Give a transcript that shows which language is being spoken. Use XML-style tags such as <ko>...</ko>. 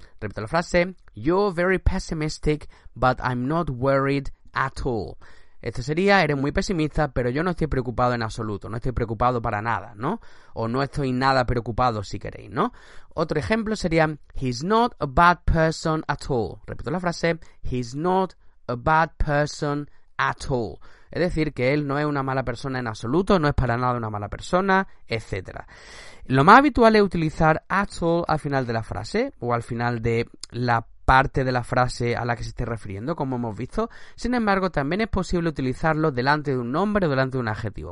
<es>Repito la frase,</es> <en>"You're very pessimistic, but I'm not worried at all."</en> <es>Esto sería, eres muy pesimista, pero yo no estoy preocupado en absoluto, no estoy preocupado para nada, ¿no? O no estoy nada preocupado, si queréis, ¿no? Otro ejemplo sería,</es> <en>he's not a bad person at all.</en> <es>Repito la frase,</es> <en>he's not a bad person at all.</en> <es>Es decir, que él no es una mala persona en absoluto, no es para nada una mala persona, etc. Lo más habitual es utilizar at all al final de la frase, o al final de la parte de la frase a la que se esté refiriendo, como hemos visto. Sin embargo, también es posible utilizarlo delante de un nombre o delante de un adjetivo.</es>